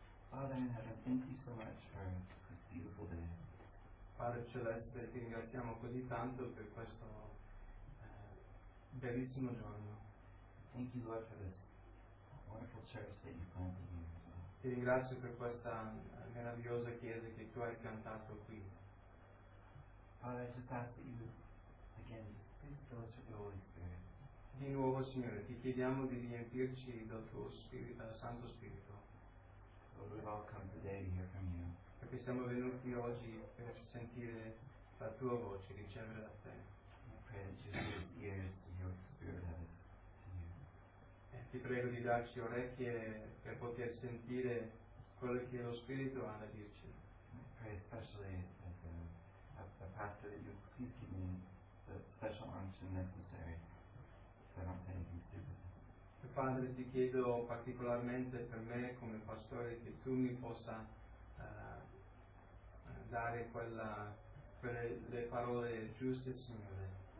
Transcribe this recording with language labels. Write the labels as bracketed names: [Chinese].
[English] Father in heaven, thank you so much for this beautiful day. [Italian] Padre Celeste, ti ringraziamo così tanto per questo bellissimo giorno. [English] Thank you, Lord, for this wonderful church that you planted here. [Italian] Ti ringrazio per questa meravigliosa chiesa che tu hai piantato qui. [English] Father, I just ask that you, again, please fill us with your Holy Spirit. [Italian] Di nuovo, Signore, ti chiediamo di riempirci del tuo Spirito, del Santo Spirito. [English] Lord, we've all come today to hear from you. [Italian] Perché siamo venuti oggi per sentire la tua voce, ricevere da te. [English] I pray that you give ears to hear what the Spirit has to you. [Italian] E ti prego di darci orecchie per poter sentire quello che lo Spirito ha da dirci. [English] I pray especially as a pastor that you please give me the special unction necessary so I don't say anything stupid. [Italian] Padre, ti chiedo particolarmente per me come pastore che tu mi possa dare quelle parole giuste, Signore.